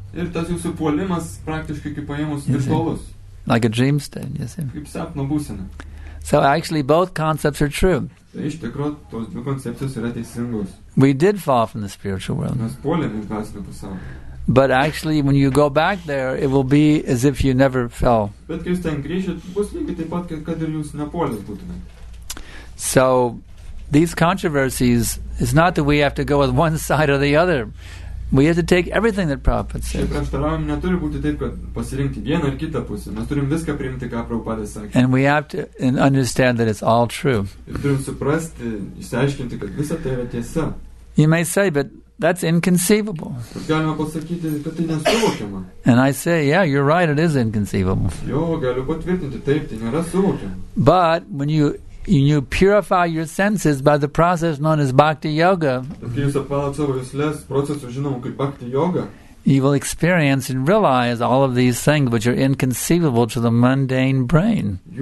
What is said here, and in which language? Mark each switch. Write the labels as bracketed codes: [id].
[lt] Ir tas jūsų puolimas praktiškai kaip paėmus virtualus. [en] Like a dream state, you see. [lt] Kaip sapno būsena. [en] So actually, both concepts are true. [lt] Iš tikrųjų, tos dvi koncepcijos yra teisingos. [en] We did fall from the spiritual world. [lt] Mes puolėme iš dvasinio pasaulio. [en] But actually, when you go back there, it will be as if you never fell. [lt] Bet kai jūs ten grįžit, bus lygiai taip pat, kad ir jūs nepuolės būtumėt. [en] So, these controversies, it's not that we have to go with one side or the other. We have to take everything that Prabhupada says. [lt] Šiaip prieštaravimai neturi būti taip, kad pasirinkti vieną ar kitą pusę. Mes turim viską priimti, ką Prabhupada sakė. [en] And we have to understand that it's all true. [lt] Ir turim suprasti, išsiaiškinti, kad visa tai yra tiesa. [en] You may say, but that's inconceivable. [lt] Galima pasakyti, kad tai nesuvokiama. [en] And I say, yeah, you're right, it is inconceivable. [lt] Jo, galiu patvirtinti, taip, tai nėra suvokiama. [en] But when you purify your senses by the process known as bhakti yoga, you will experience and realize all of these things which are inconceivable to the mundane brain.